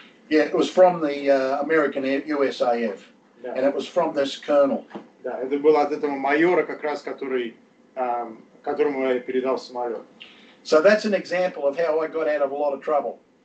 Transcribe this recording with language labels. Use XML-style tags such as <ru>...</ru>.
<en>Yeah, it was from the American USAF, yeah. And it was from this colonel.</en> <ru>Да, это было от этого майора как раз, которому я передал самолет.</ru> <en>So that's an example of how I got out of a lot of trouble.</en>